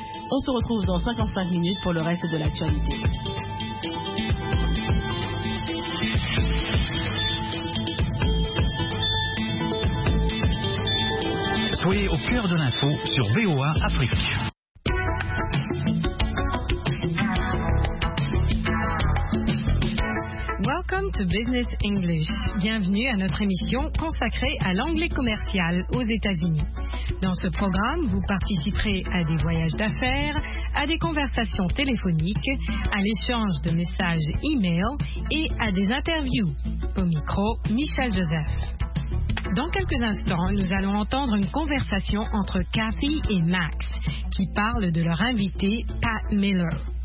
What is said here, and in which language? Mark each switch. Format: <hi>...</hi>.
<fr>On se retrouve dans 55 minutes pour le reste de l'actualité. Soyez au cœur de l'info sur VOA Afrique.</fr> <en>Welcome to Business English.</en> <fr>Bienvenue à notre émission consacrée à l'anglais commercial aux États-Unis. Dans ce programme, vous participerez à des voyages d'affaires, à des conversations téléphoniques, à l'échange de messages e-mail et à des interviews. Au micro, Michel Joseph. Dans quelques instants, nous allons entendre une conversation entre Kathy et Max, qui parlent de leur invité, Pat Miller.</fr>